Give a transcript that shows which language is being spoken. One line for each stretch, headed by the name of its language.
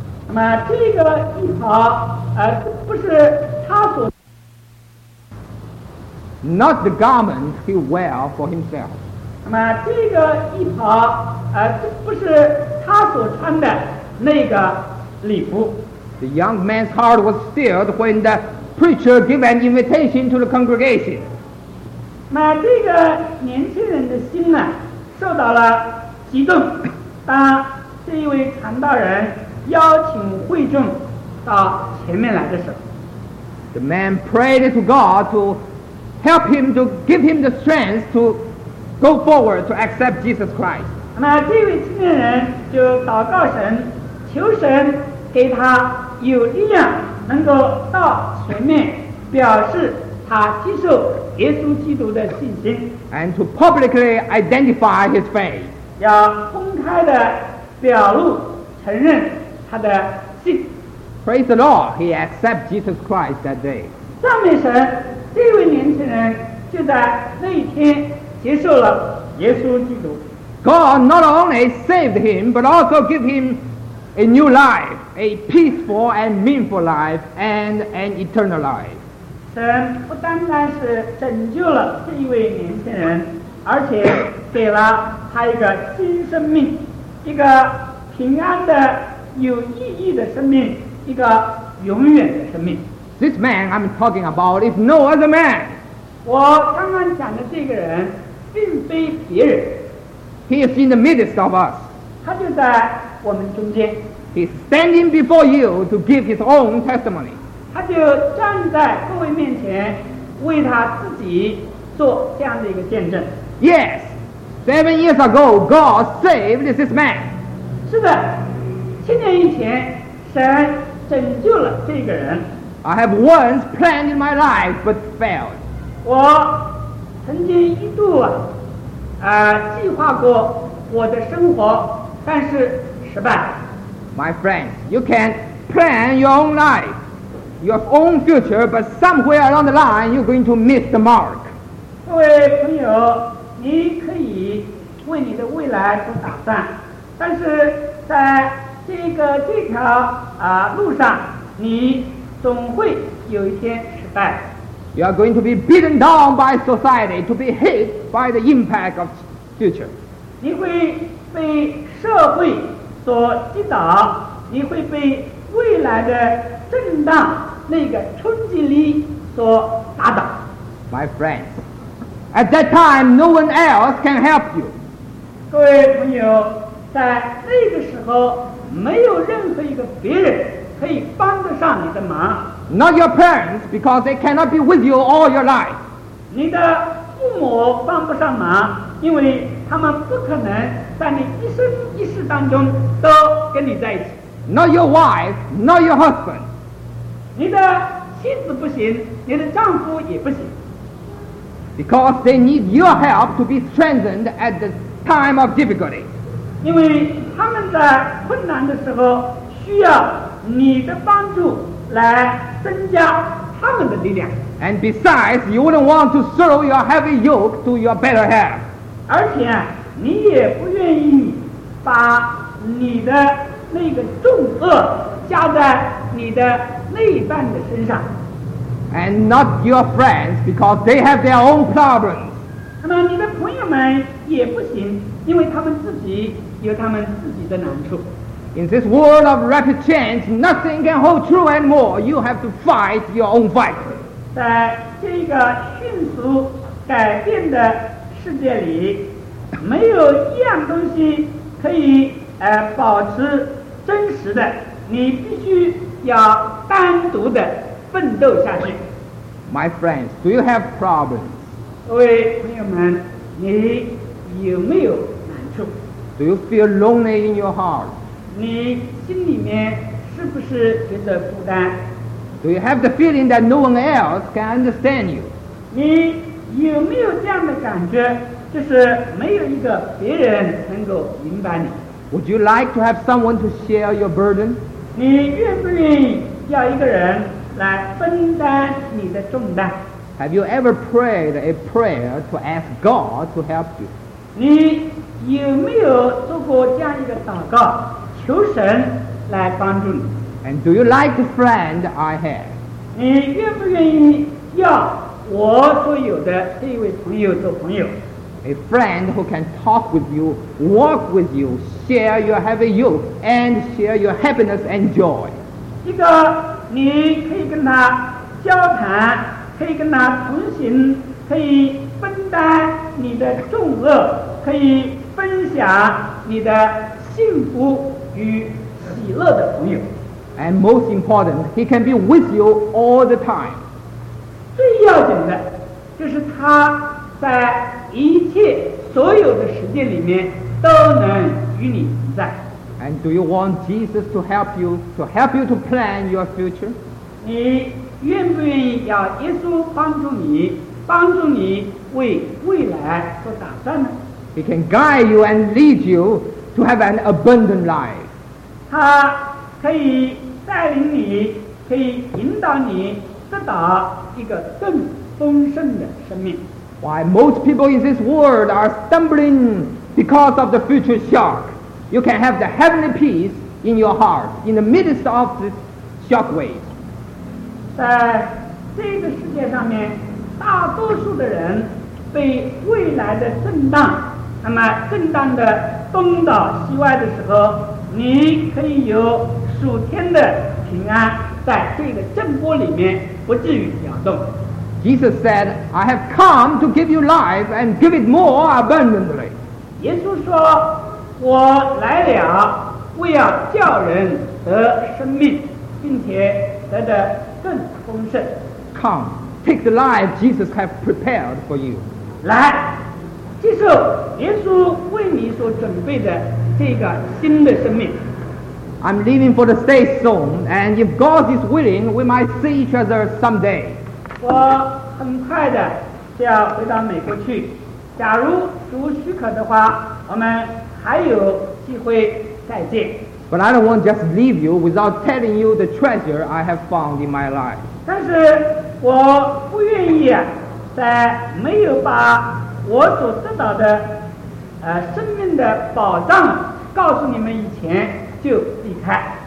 Chinese: 那么这个义袍，不是他所。
English: Not the garment he wear for himself.
Chinese: 那么这个衣袍，这不是他所穿的那个礼服。
English: The young man's heart was stirred when the preacher gave an invitation to the congregation.
Chinese: 那这个年轻人的心呢，受到了激动。当这一位传道人邀请会众到前面来的时候，
English: The man prayed to God to help him, to give him the strength to go forward to accept Jesus Christ.
Chinese: 那这位青年人就祷告神，求神给他有力量能够到前面，表示他接受耶稣基督的信心。
English: And to publicly identify his faith.
Chinese: 要公开的表露承认他的信。
English: Praise the Lord, he accept Jesus Christ that day.
Chinese: 赞美神，这位年轻人就在那一天接受了耶稣基督。
English: God not only saved him, but also give him a new life, a peaceful and meaningful life, and an eternal life.
Chinese: 神不单单是拯救了这一位年轻人，而且给了他一个新生命，一个平安的、有意义的生命，一个永远的生命。
English: This man I'm talking about is no other man.
Chinese: 我刚刚讲的这个人并非别人。
English: He is in the midst of us.
Chinese: 他就在我们中间。
English: He's standing before you to give his own testimony.
Chinese: 他就站在各位面前为他自己做这样的一个见证。
English: Yes, 7 years ago, God saved this man.
Chinese: 是的，7年以前，神拯救了这个人。
English: I have once planned in my life but failed.
Chinese: 我曾经一度计划过我的生活，但是失败。
English: My friend, you can plan your own life, your own future, but somewhere along the line, you're going to miss the mark.
Chinese: 各位朋友，你可以为你的未来做打算，但是在这条路上，你总会有一天失败。
English: You are going to be beaten down by society, to be hit by the impact of future.
Chinese: 你会被社会所击倒，你会被未来的震荡那个冲击力所打倒。
English: My friends, at that time, no one else can help you.
Chinese: 各位朋友，在那个时候，没有任何一个别人可以帮得上你的忙。
English: Not your parents, because they cannot be with you all your life.
Chinese: 你的父母帮不上忙，因为他们不可能在你一生一世当中都跟你在一起。
English: Not your wife, not your husband.
Chinese: 你的妻子不行，你的丈夫也不行。
English: Because they need your help to be strengthened at the time of difficulty.
Chinese: 因为他们在困难的时候需要你的帮助来增加他们的力量。
English: And besides, you wouldn't want to throw your heavy yoke to your better half.
Chinese: 而且你也不愿意把你的那个重恶加在你的那一半的身上。
English: And not your friends, because they have their own problems.
Chinese: 那么你的朋友们也不行，因为他们自己有他们自己的难处。
English: In this world of rapid change, nothing can hold true anymore. You have to fight your own fight.
Chinese: 在这个迅速改变的世界里，没有一样东西可以保持真实的，你必须要单独的奋斗下去。
English: My friends, do you have problems?
Chinese: 各位朋友们，你有没有难处？
English: Do you feel lonely in your heart?
Chinese: 你心里面是不是觉得孤单？
English: Do you have the feeling that no one else can understand you?
Chinese: 你有没有这样的感觉？就是没有一个别人能够明白你。
English: Would you like to have someone to share your burden?
Chinese: 你愿不愿意要一个人来分担你的重担？
English: Have you ever prayed a prayer to ask God to help you?
Chinese: 你有没有做过这样一个祷告，求神来帮助你？
English: And do you like the friend I have?
Chinese: 你愿不愿意要我所有的这位朋友做朋友？
English: A friend who can talk with you, walk with you, share your heavy yoke, and share your happiness and joy.
Chinese: 一个你可以跟他交谈，可以跟他同行，可以分担你的重恶，可以分享你的幸福与喜乐的朋友。
English: And most important, he can be with you all the time.
Chinese: 最要紧的就是他在一切所有的时间里面都能与你同在。
English: And do you want Jesus to help you, to help you to plan your future?
Chinese: 你愿不愿意要耶稣帮助你，帮助你为未来做打算呢？
English: He can guide you and lead you to have an abundant life.
Chinese: 他可以带领你，可以引导你得到一个更丰盛的生命。
English: Why most people in this world are stumbling because of the future shock? You can have the heavenly peace in your heart in the midst of this shockwave.
Chinese: 在这个世界上面，大多数的人被未来的震荡。那么震荡的东倒西歪的时候，你可以有数天的平安，在这个震波里面不至于摇动。
English: Jesus said, I have come to give you life and give it more abundantly.
Chinese: 耶稣说，我来了，为要叫人得生命，并且得的更丰盛。
English: Come, take the life Jesus has prepared for you.
Chinese: 来。接受耶稣为你所准备的这个新的生命。
English: I'm leaving for the States soon, and if God is willing, we might see each other someday.
Chinese: 我很快的就要回到美国去。假如主许可的话，我们还有机会再见。
English: But I don't want to just leave you without telling you the treasure I have found in my life.
Chinese: 但是我不愿意在没有把我所得到的生命的宝藏告诉你们以前就离开。